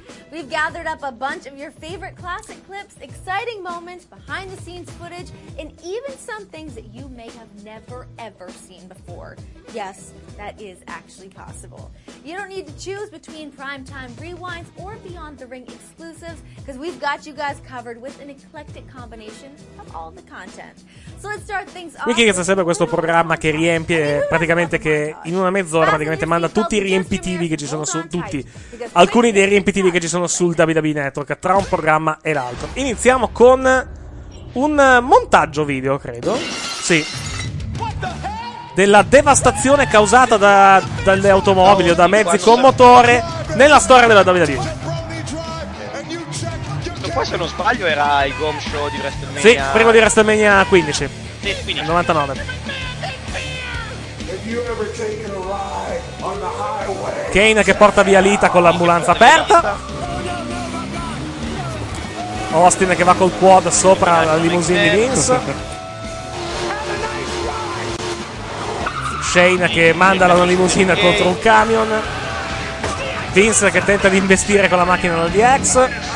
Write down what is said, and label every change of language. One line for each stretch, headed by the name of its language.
English: We've gathered up a bunch of your favorite classic clips, exciting moments, behind the scenes footage, and even some things that you may have never ever seen before. Yes, that is actually possible. You don't need to choose between primetime rewinds or beyond the ring exclusives, because we've got you guys covered with an eclectic combination of all the content. So let's start things off.
Italian: Quickie è sempre questo programma che riempie praticamente, che in una mezz'ora praticamente manda tutti i riempitivi che ci sono su tutti. Alcuni dei riempitivi che ci sono sul WWE Network tra un programma e l'altro. Iniziamo con un montaggio video, credo. Sì. Della devastazione causata dalle automobili o da mezzi con motore nella storia della WWE. qua, se non sbaglio, era il Gom Show di WrestleMania. Sì, prima di WrestleMania 15. Sì, 15. 99.
English: Have you ever taken a ride on the highway?
Italian: Kane che porta via Lita con l'ambulanza aperta. Austin che va col quad sopra la limousine di Vince. Shane che manda la limousine contro un camion. Vince che tenta di investire con la macchina del DX.